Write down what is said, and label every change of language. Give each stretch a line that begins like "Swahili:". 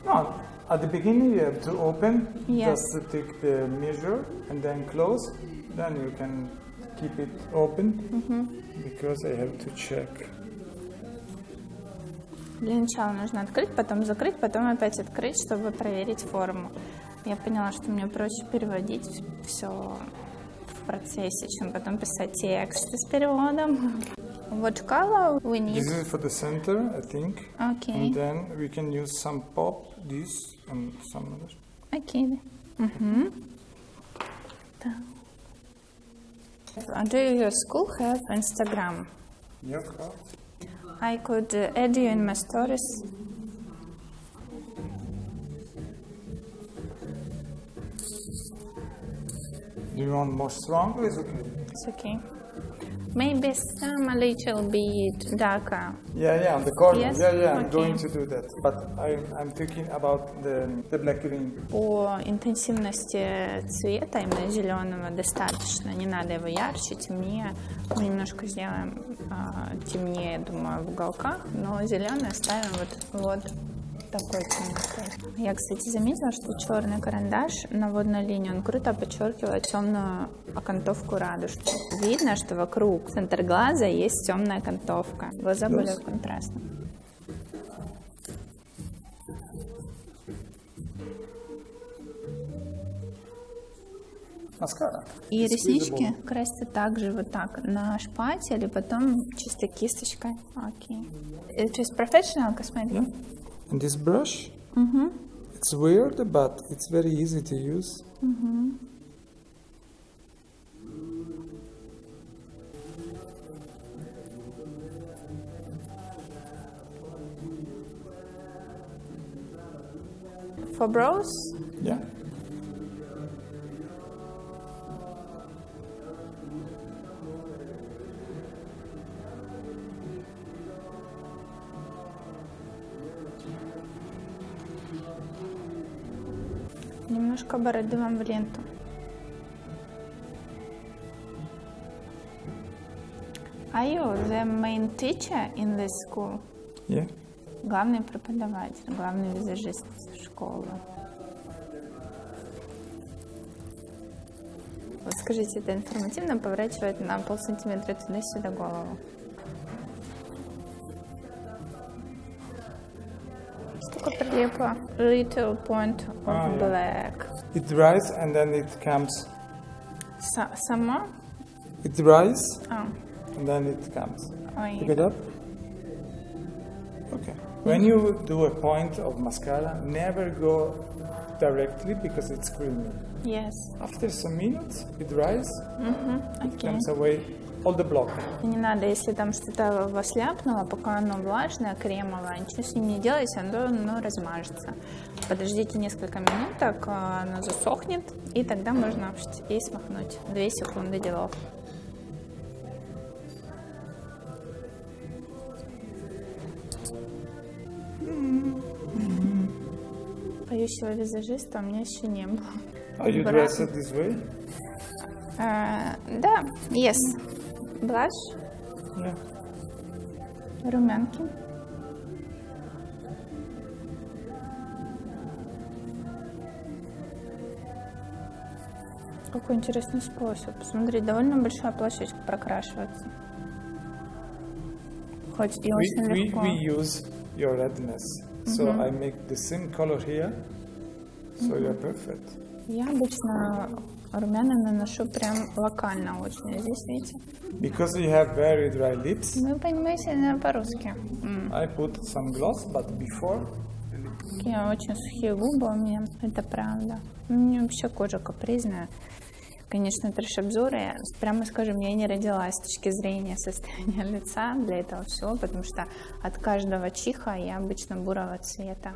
English: No, at the beginning you have to open, just to take the measure and then close. Then you can keep it open, because I have to check.
Russian: Для начала нужно открыть, потом закрыть, потом опять открыть, чтобы проверить форму. Я поняла, что мне проще переводить все в процессе, чем потом писать текст с переводом.
English: What color we need? This is for the center, I think. Okay. And then we can use some pop, this and some others. Okay. Do your school have Instagram? Yeah, of course. I could add you in my stories. Do you want more strong or is it okay? It's okay. Maybe some a little bit darker. Yeah, yeah, on the corner. Yes? Yeah, yeah, I'm okay. Going to do that. But I'm thinking about the black ring.
Russian: По интенсивности цвета, именно зеленого, достаточно. Не надо его ярче, темнее. Мы немножко сделаем темнее, думаю, в уголках. Но зеленый оставим вот такой темнотой. Я, кстати, заметила, что черный карандаш на водной линии, он круто подчеркивает темную окантовку радужки. Видно, что вокруг центр глаза есть темная окантовка. Глаза более контрастны. Маскара. И
English: it's
Russian: реснички
English: visible.
Russian: Красятся также вот так на шпате или потом чисто кисточкой. Окей. Это
English: just professional cosmetic. Yeah. And this brush? It's weird, but it's very easy to use. For brows? Yeah.
Russian: Немножко бороды вам в ленту.
English: Are you the main teacher in this school? Yeah.
Russian: Главный преподаватель, главный визажист школы. Вот скажите, это информативно поворачивает на 0.5 сантиметра туда-сюда голову. Прилипло.
English: Little point of black. It dries and then it comes. Some more? It dries. Oh. And then it comes. Oh, pick it up. Okay. When you do a point of mascara, never go directly because it's creamy. Yes. After some minutes, it dries. Okay. It comes away. All the block.
Russian: Не надо, если там что-то у вас ляпнуло, пока оно влажное, кремовое, ничего с ним не делайте, оно размажется. Подождите несколько минут, так оно засохнет, и тогда можно и смахнуть. 2 секунды делов. Поющего визажиста у меня еще не было.
English: Are you dressed this way?
Russian: Да,
English: yes.
Russian: Блаш?
English: Yeah.
Russian: Румянки? Какой интересный способ. Смотри, довольно большая площадь прокрашивается. Хоть и очень легко.
English: We use your redness. So I make the same color here. So you're perfect.
Russian: Я обычно румяна наношу прям локально очень. Здесь, видите?
English: Because you have very dry lips.
Russian: Мы понимаете по-русски.
English: I put some gloss, but before.
Russian: Я очень сухие губы у меня, это правда. У меня вообще кожа капризная. Конечно, трэш-обзоры, прямо скажем, я не родилась с точки зрения состояния лица для этого всего, потому что от каждого чиха я обычно бурого цвета.